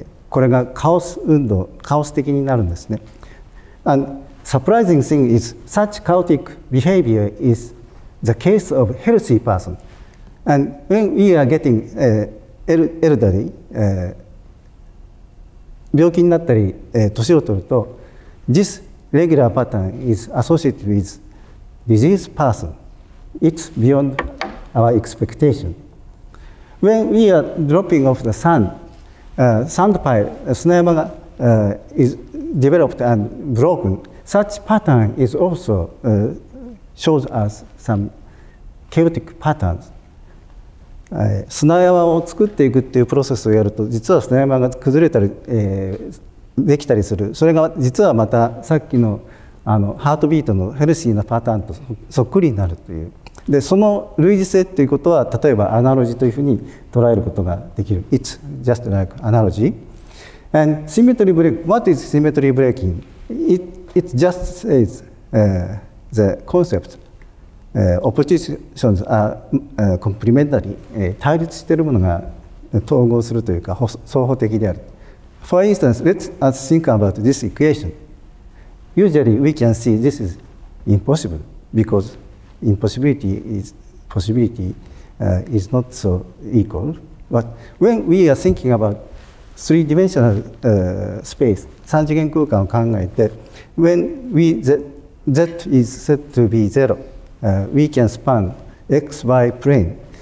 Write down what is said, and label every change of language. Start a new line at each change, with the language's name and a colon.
Japanese: これがカオス運動、カオス的になるんですね。
English: And surprising thing is such chaotic behavior is the case of healthy person. And when we are getting elderly,
Japanese: 病気になったり、年を取ると、
English: this regular pattern is associated with diseased person. It's beyond our expectation. When we are dropping off the sand, sand pile,
Japanese: 砂山が
English: is developed and broken, such pattern is also shows us some chaotic patterns.
Japanese: 砂山を作っていくっていうプロセスをやると、実は砂山が崩れたり、できたりする。それが実はまたさっき の, あのハートビートのヘルシーなパターンとそっくりになるという。で、その類似性ということは、例えばアナロジーというふうに捉えることができる。
English: It's just like analogy. And symmetry breaking, what is symmetry breaking? It just says the concept. Oppositions are complementary.
Japanese: 対立しているものが統合するというか、相補的である。
English: For instance, let us think about this equation. Usually we can see this is impossible because. Impossibility is possibility is not so equal. But when we are thinking about three-dimensional space,
Japanese: 三次元空間を考えて、
English: when we z is said to be zero, we can span x y plane.